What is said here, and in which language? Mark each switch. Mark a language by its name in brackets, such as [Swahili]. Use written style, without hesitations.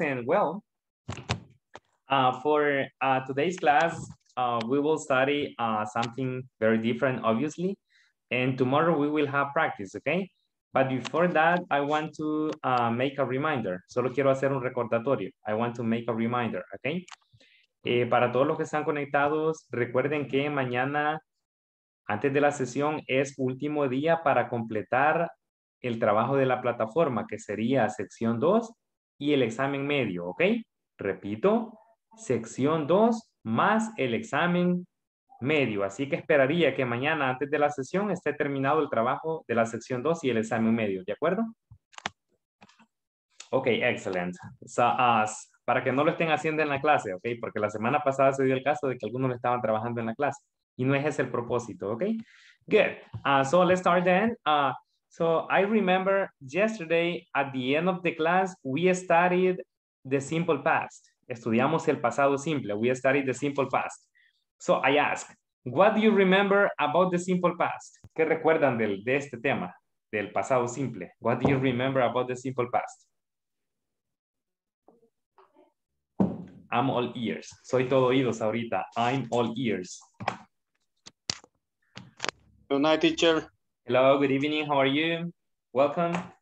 [English] And well, for today's class, we will study something very different, obviously. And tomorrow we will have practice, okay? But before that, I want to make a reminder. [Spanish] Solo quiero hacer un recordatorio. [English] I want to make a reminder, okay? [Spanish] Para todos los que están conectados, recuerden que mañana, antes de la sesión, es último día para completar el trabajo de la plataforma, que sería sección 2 y el examen medio, okay? Repito, sección 2 más el examen medio. Así que esperaría que mañana antes de la sesión esté terminado el trabajo de la sección 2 y el examen medio. ¿De acuerdo? Ok, excelente. So, para que no lo estén haciendo en la clase, ok, porque la semana pasada se dio el caso de que algunos lo estaban trabajando en la clase y no es ese el propósito, ok. [English] Good. So let's start then. So I remember yesterday at the end of the class, we studied the simple past. [Spanish] Estudiamos el pasado simple. [English] We studied the simple past. So I ask, what do you remember about the simple past? [Spanish] ¿Qué recuerdan del, de este tema, del pasado simple? [English] What do you remember about the simple past? I'm all ears. [Spanish] Soy todo oídos ahorita. [English] I'm all ears. Good night, teacher. Hello, good evening. How are you? Welcome.